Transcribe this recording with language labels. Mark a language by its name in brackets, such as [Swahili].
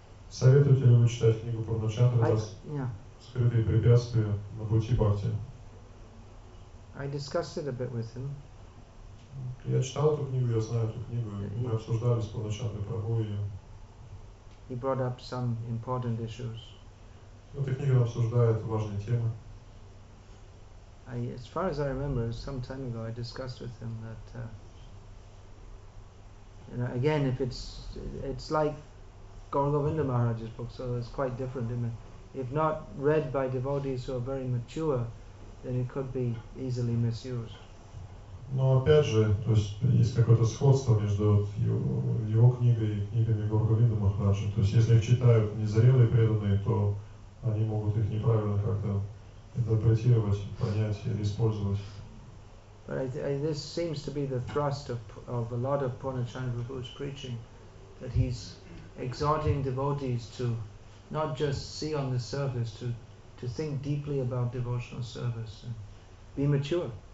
[Russian] Советуете ли вы читать книгу Прабхучандры «Скрытые препятствия на пути бхакти»? [English] I discussed it a bit with him. [Russian] Я читал эту книгу, я знаю эту книгу. Мы обсуждали с Прабхучандрой Прабху ее. [English] He brought up some important issues. [Russian] Эта книга обсуждает важные темы. [English] As far as I remember, some time ago I discussed with him that, you know, again, if it's like Gaurgavinda Maharaj's book, so it's quite different. If not read by devotees who are very mature, then it could be easily misused. [Russian] Но опять же, то есть есть какое-то сходство между его книгой и книгами Гаурагавинды Махараджа. То есть если их читают незрелые преданные, то они могут их неправильно как-то интерпретировать, понять или использовать. [English] But this seems to be the thrust of a lot of Purnachandra Prabhu's preaching, that he's exhorting devotees to not just see on the surface, to think deeply about devotional service and be mature.